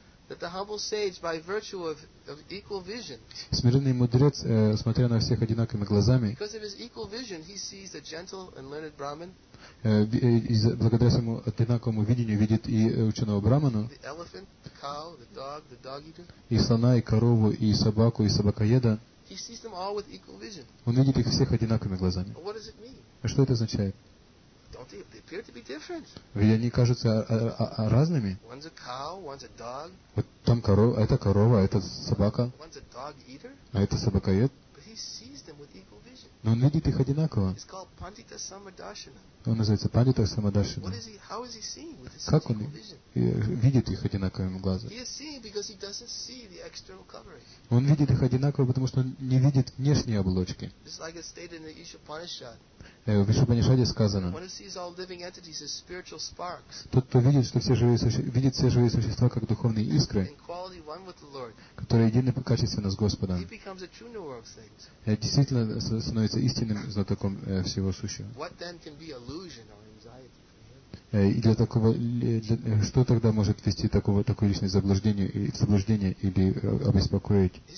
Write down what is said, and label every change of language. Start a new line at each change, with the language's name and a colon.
English: That the humble sage, by virtue of equal vision,
Russian: смиренный мудрец, смотря на всех одинаковыми глазами,
English: because of his equal vision, he sees the gentle and learned brahman.
Russian: Благодаря своему одинаковому видению видит и ученого брахмана.
English: The elephant, the cow, the dog, the dog eater.
Russian: И слона, и корову, и собаку, и собакоеда.
English: He sees them all with equal vision.
Russian: Он видит их всех одинаковыми глазами.
English: What does it mean?
Russian: Что это означает?
English: Don't they appear to be different?
Russian: Ведь они кажутся разными.
English: One's a cow, one's a dog.
Russian: Вот там корова, это корова, это собака.
English: One's a dog eater.
Russian: А это собакоед.
English: But he sees them with equal vision.
Russian: Но он видит их одинаково.
English: It's called Pandita Samadarshana.
Russian: Он называется Пандита Самадаршана.
English: How is he seeing with his equal vision?
Russian: Видит их одинаковыми глазами.
English: He is seeing because he doesn't see the external covering.
Russian: Он видит их одинаково, потому что он не видит внешние оболочки.
English: It's like it's stated in the Ишупанишад.
Russian: В Ишупанишаде сказано.
English: When he sees all living entities as spiritual sparks.
Russian: Тот, кто видит, что видит все живые существа как духовные искры,
English: in quality one with the Lord,
Russian: которые едины по качественно с Господом,
English: he becomes a true knower of things.
Russian: Действительно становится истинным знатоком всего сущего.
English: What then can be a illusion or anxiety?
Russian: И для такого, что тогда может вести такое личное заблуждение или обеспокоить?